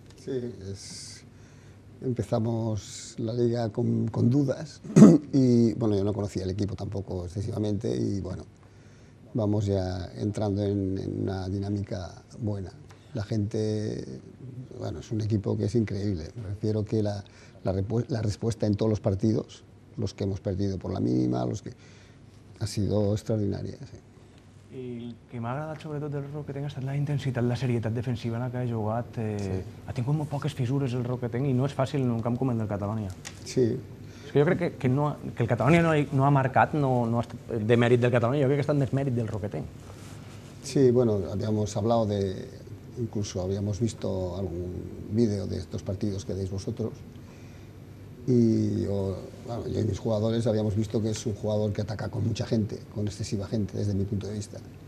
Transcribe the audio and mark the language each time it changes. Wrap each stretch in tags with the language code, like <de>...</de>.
<es>Sí, empezamos la liga con dudas y bueno, yo no conocía el equipo tampoco excesivamente y bueno, vamos ya entrando en una dinámica buena. La gente, bueno, es un equipo que es increíble. Me refiero que la respuesta en todos los partidos, los que hemos perdido por la mínima, los que ha sido extraordinaria, sí.</es> <ca>I el que m'ha agradat sobretot del Roquetenc ha estat la intensitat, la serietat defensiva en què ha jugat. Ha tingut molt poques fissures el Roquetenc i no és fàcil en un camp com el del Catalunya. Sí. És que jo crec que el Catalunya no ha marcat, no ha estat de mèrit del Catalunya, jo crec que ha estat més mèrit del Roquetenc.</ca> <es>Sí, bueno, habíamos hablado de... Incluso habíamos visto algún vídeo de estos partidos que deis vosotros. Y yo y mis jugadores habíamos visto que es un jugador que ataca con mucha gente, con excesiva gente, desde mi punto de vista.</es>